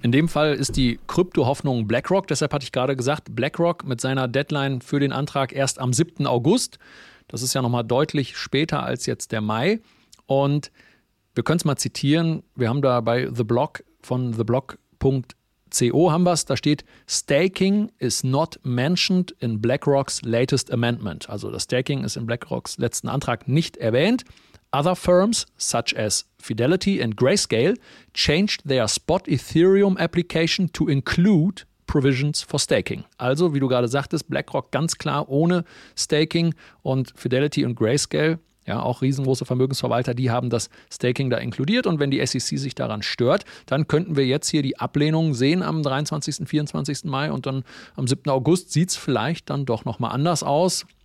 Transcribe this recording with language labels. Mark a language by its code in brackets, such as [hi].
[de] In dem Fall ist die Krypto-Hoffnung BlackRock. Deshalb hatte ich gerade gesagt, BlackRock mit seiner Deadline für den Antrag erst am 7. August. Das ist ja nochmal deutlich später als jetzt der Mai. Und wir können es mal zitieren. Wir haben da bei The Block von theblock.co haben wir es. Da steht, [en] Staking is not mentioned in BlackRock's latest amendment. [de] Also das Staking ist in BlackRock's letzten Antrag nicht erwähnt. [en] Other firms such as Fidelity and Grayscale changed their spot Ethereum application to include Provisions for Staking. [de] Also, wie du gerade sagtest, BlackRock ganz klar ohne Staking und Fidelity und Grayscale, ja, auch riesengroße Vermögensverwalter, die haben das Staking da inkludiert. Und wenn die SEC sich daran stört, dann könnten wir jetzt hier die Ablehnung sehen am 23., 24. Mai und dann am 7. August sieht es vielleicht dann doch nochmal anders aus.